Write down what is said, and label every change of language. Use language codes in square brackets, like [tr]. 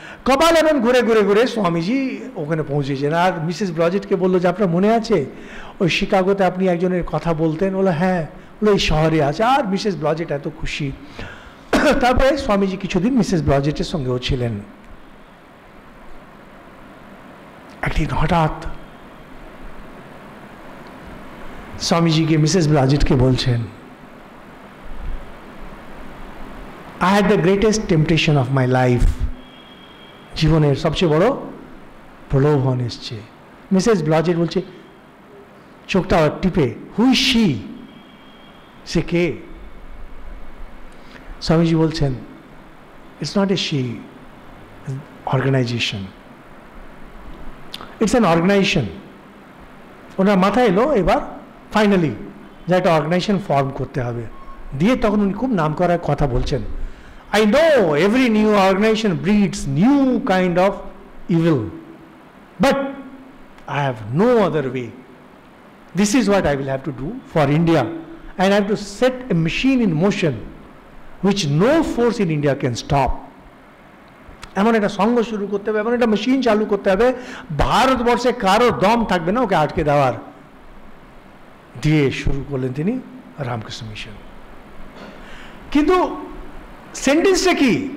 [bn] কপাল এমন ঘুরে ঘুরে ঘুরে স্বামীজি ওখানে পৌঁছেছেন, আর মিসেস ব্লজেটকে বললো যে, আপনার মনে আছে ওই শিকাগোতে আপনি একজনের কথা বলতেন? বলো হ্যাঁ। বলো এই শহরে আছে। আর মিসেস ব্লজেট এত খুশি। তারপরে স্বামীজি কিছুদিন মিসেস ব্লজেটের সঙ্গেও ছিলেন। একদিন হঠাৎ স্বামীজিকে মিসেস ব্লজেটকে বলছেন, [en] I had the greatest temptation of my life. [bn] জীবনের সবচেয়ে বড় প্রলোভন এসছে। মিসেস ব্লজেট বলছে, চোখটা টিপে, [en] who is she, [bn] সে কে? [en] স্বামীজি বলছেন, it's not a she, organisation, it's an organisation. [bn] ওনার মাথায় এলো এবার ফাইনালি যে একটা অর্গানাইজেশন ফর্ম করতে হবে। দিয়ে তখন উনি খুব নাম করার কথা বলছেন, [en] I know every new organization breeds new kind of evil, but I have no other way. This is what I will have to do for India, and I have to set a machine in motion which no force in India can stop. [bn] এমন একটা সংঘ শুরু করতে হবে, এমন একটা machine চালু করতে হবে, ভারতবর্ষে কারোর দম থাকবে না ওকে আটকে দেওয়ার। দিয়ে শুরু করলেন তিনি রামকৃষ্ণ মিশন। কিন্তু সেন্টেন্সটা কি?